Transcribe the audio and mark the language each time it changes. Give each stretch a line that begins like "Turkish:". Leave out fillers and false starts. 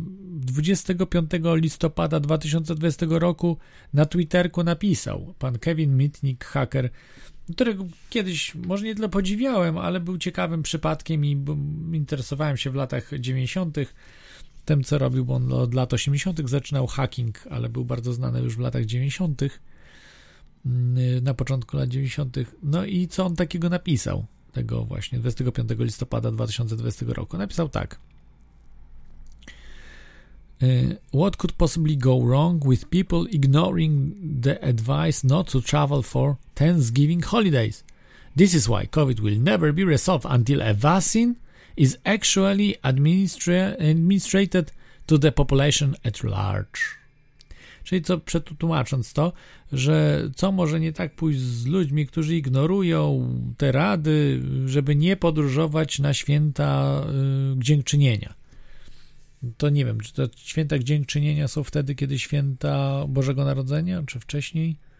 Polish: 25 listopada 2020 roku na Twitterku napisał pan Kevin Mitnick, haker, którego kiedyś może nie tyle podziwiałem, ale był ciekawym przypadkiem i interesowałem się w latach 90. tym, co robił, bo on od lat 80. zaczynał hacking, ale był bardzo znany już w latach 90. na początku lat 90. No i co on takiego napisał, tego właśnie 25 listopada 2020 roku?
English: Napisał tak: "What could possibly go wrong with people ignoring the advice not to travel for Thanksgiving holidays? This is why COVID will never be resolved until a vaccine is actually administrated to the population at large.
Polish: Czyli co, przetłumacząc to, że co może nie tak pójść z ludźmi, którzy ignorują te rady, żeby nie podróżować na święta dziękczynienia. To nie wiem, czy to święta dziękczynienia są wtedy, kiedy święta Bożego Narodzenia, czy wcześniej?